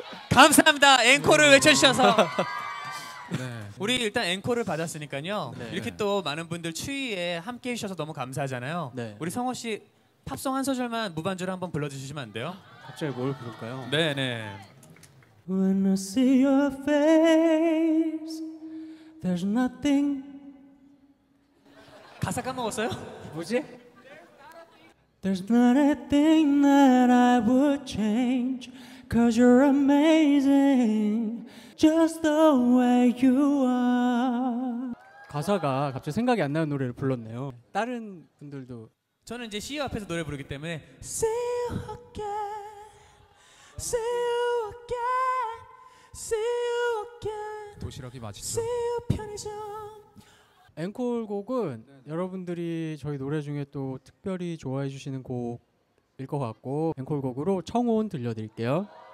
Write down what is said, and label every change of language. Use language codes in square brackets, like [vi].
[ko] 감사합니다. 앵콜을 외쳐주셔서. 네. 우리 일단 앵콜을 받았으니까요. 네. 이렇게 또 많은 분들 추위에 함께 해주셔서 너무 감사하잖아요. 네. 우리 성호 씨 팝송 한 소절만 무반주로 한번 불러주시면 안 돼요? 갑자기 뭘 부를까요? 네네. [en] When I see your face, there's nothing. [ko] 가사 까먹었어요? 뭐지? [en] There's not a thing that I would change. 'Cause you're amazing, just the way you are. [ko] 가사가 갑자기 생각이 안 나는 노래를 불렀네요. 다른 분들도. 저는 이제 CEO 앞에서 노래 부르기 때문에 [en] See you again, see you again, see you again. [ko] 도시락이 맛있어. [en] See you [ko] 편의점. 앵콜 곡은 여러분들이 저희 노래 중에 또 특별히 좋아해 주시는 곡일 것 같고, 앵콜 곡으로 청혼 들려드릴게요.